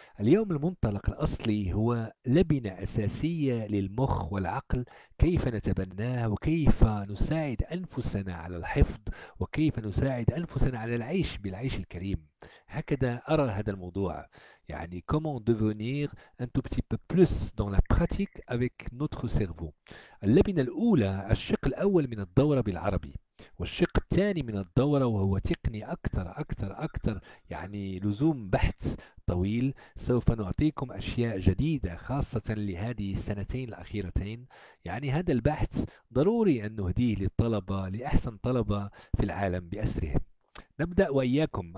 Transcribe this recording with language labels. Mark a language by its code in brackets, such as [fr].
[ar] اليوم المنطلق الأصلي هو لبنة أساسية للمخ والعقل، كيف نتبناه وكيف نساعد أنفسنا على الحفظ وكيف نساعد أنفسنا على العيش بالعيش الكريم. هكذا أرى هذا الموضوع، [fr] comment devenir un tout petit peu plus dans la pratique avec notre cerveau. [ar] اللبنة الأولى، الشق الأول من الدورة بالعربي، والشق الثاني من الدورة وهو تقني أكثر أكثر أكثر، لزوم بحث طويل. سوف نعطيكم أشياء جديدة خاصة لهذه السنتين الأخيرتين. هذا البحث ضروري أن نهديه للطلبة، لأحسن طلبة في العالم بأسره. نبدأ وإياكم.